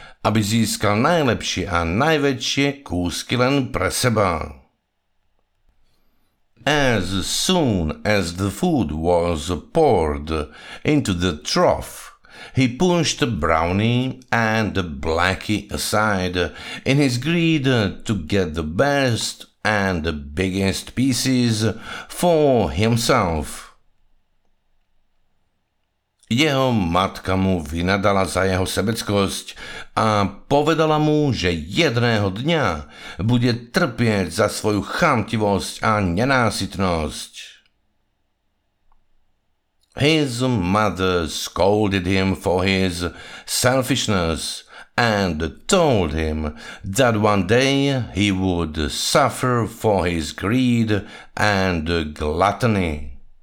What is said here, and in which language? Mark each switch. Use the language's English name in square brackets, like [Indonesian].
[Slovak] aby získal najlepšie a najväčšie kúsky len pre seba. [English] As soon as the food was poured into the trough, he pushed Brownie and Blackie aside in his greed to get the best and biggest pieces for himself. [Slovak] Jeho matka mu vynadala za jeho sebeckosť a povedala mu, že jedného dňa bude trpieť za svoju chamtivosť a nenásytnosť. [English] His mother scolded him for his selfishness and told him that one day he would suffer for his greed and gluttony.